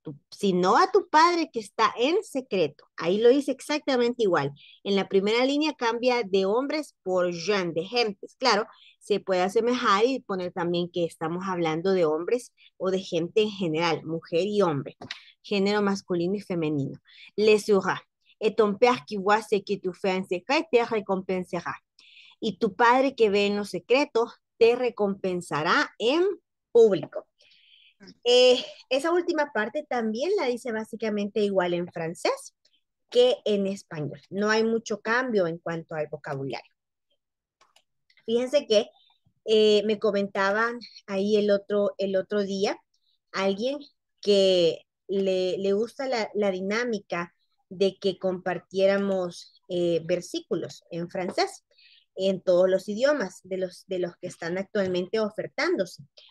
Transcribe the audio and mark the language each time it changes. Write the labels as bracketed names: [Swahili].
[Spanish] Sino a tu padre que está en secreto. Ahí lo dice exactamente igual. En la primera línea cambia de hombres por gens, de gentes. Claro, se puede asemejar y poner también que estamos hablando de hombres o de gente en general, mujer y hombre, género masculino y femenino. [French] Le sourire. Et ton père qui voit ce que tu fais en secret te récompensera. [Spanish] Y tu padre que ve en lo secreto te recompensará en público. Esa última parte también la dice básicamente igual en francés que en español. No hay mucho cambio en cuanto al vocabulario. Fíjense que me comentaban ahí el otro día alguien que le gusta la dinámica de que compartiéramos versículos en francés en todos los idiomas de los que están actualmente ofertándose.